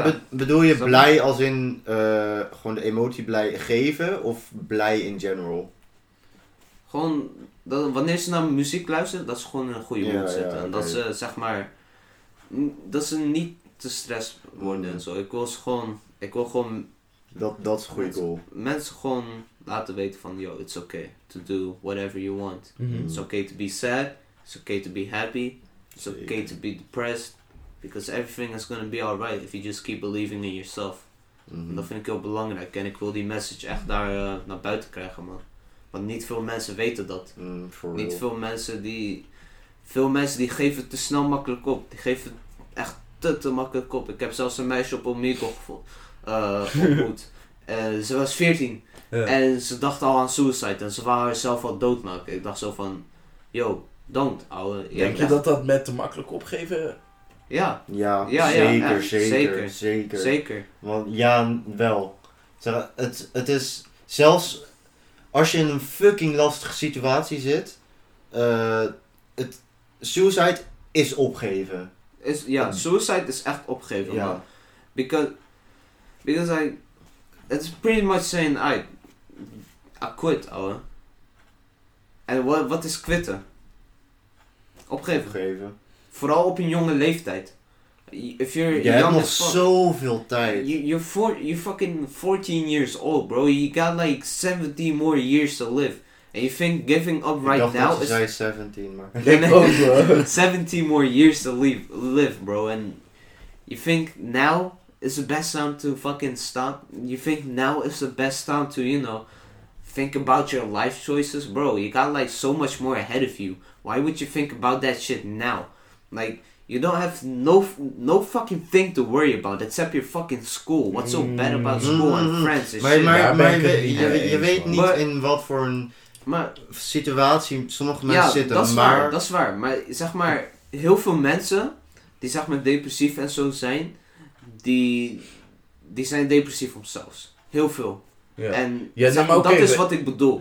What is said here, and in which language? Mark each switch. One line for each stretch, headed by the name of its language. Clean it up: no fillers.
Dutch: Bedoel je blij als in gewoon de emotie blij geven of blij
English: in general?
Dutch: Gewoon... Dat, wanneer ze naar muziek luisteren, dat ze gewoon in een goede mood zitten. En dat ze, zeg maar... Dat ze niet te stress worden en zo. Ik wil gewoon... Dat is een goede goal. Mensen gewoon laten weten van...
English: Yo, it's okay to do whatever you want. Mm-hmm. It's okay to be sad. It's okay to be happy. It's okay to be depressed. Because everything is gonna be alright if you just keep believing in yourself. Mm-hmm.
Dutch: En dat vind ik heel belangrijk. En ik wil die message echt daar naar buiten krijgen, man. Want niet veel mensen weten dat. Niet veel mensen die... Veel mensen die geven te snel makkelijk op. Die geven echt te makkelijk op. Ik heb zelfs een meisje op Omegle ontmoet. Ze was 14.
English: Yeah.
Dutch: En ze dacht al aan suicide. En ze wou haarzelf al doodmaken. Ik dacht zo van...
English: Yo, don't,
Dutch: ouwe. Denk je dat met te makkelijk opgeven... Ja. Ja, zeker. Want ja, wel. Het is zelfs... Als je in een fucking lastige situatie zit, suicide is opgeven. Suicide is echt opgeven.
English: Yeah. Man. Because it's pretty much saying I quit, ouwe.
Dutch: En wat is quitten? Opgeven. Vooral op een jonge leeftijd. Je hebt nog zoveel tijd.
English: You're fucking 14 years old, bro. You got like 17 more years to live. And you think giving up right now is...
Dutch: I dacht dat je zei 17, maar... Ik ook,
English: bro. 17 more years to live, bro. And you think now is the best time to fucking stop? You think now is the best time to, you know, think about your life choices? Bro, you got, like, so much more ahead of you. Why would you think about that shit now? Like... You don't have no fucking thing to worry about except your fucking school. What's so bad about school and friends and shit?
Dutch: Maar je weet niet in wat voor een situatie sommige mensen zitten. Ja, dat is waar. Maar zeg maar, heel veel mensen die zeg maar depressief en zo zijn, die zijn depressief om zelfs. Heel veel. Yeah. En dat is wat ik bedoel.